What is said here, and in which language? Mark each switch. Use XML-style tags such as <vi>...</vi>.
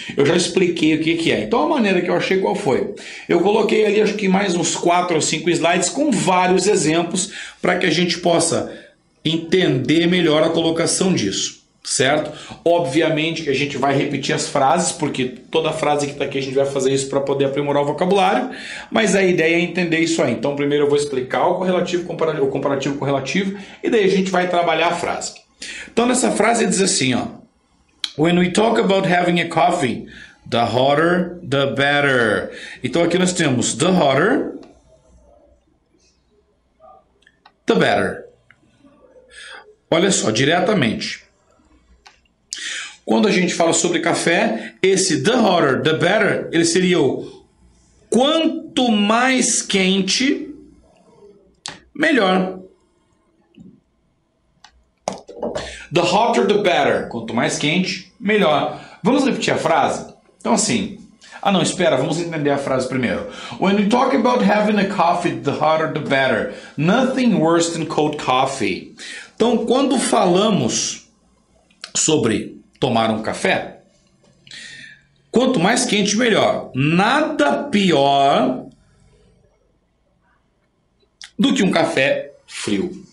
<pt>Eu já expliquei o que é. Então, a maneira que eu achei qual foi. Eu coloquei ali, acho que mais uns 4 ou 5 slides com vários exemplos para que a gente possa entender melhor a colocação disso. certo? Obviamente que a gente vai repetir as frases, porque toda frase que está aqui a gente vai fazer isso para poder aprimorar o vocabulário, mas a ideia é entender isso aí. Então primeiro eu vou explicar o correlativo, o comparativo com o relativo, e daí a gente vai trabalhar a frase. Então nessa frase diz assim, ó:</pt> <en>When we talk about having a coffee, the hotter, the better.</en> <pt>Então aqui nós temos</pt> <en>the hotter, the better.</en> <pt>Olha só, diretamente. Quando a gente fala sobre café, esse</pt> <en>the hotter, the better,</en> <pt>ele seria o quanto mais quente, melhor.</pt> <en>The hotter, the better.</en> <pt>Quanto mais quente, melhor. Vamos repetir a frase? Então assim... Ah não, espera, vamos entender a frase primeiro.</pt> <en>When you talk about having a coffee, the hotter, the better. Nothing worse than cold coffee.</en> <pt>Então, quando falamos sobre tomar um café, quanto mais quente, melhor. Nada pior do que um café frio.</pt>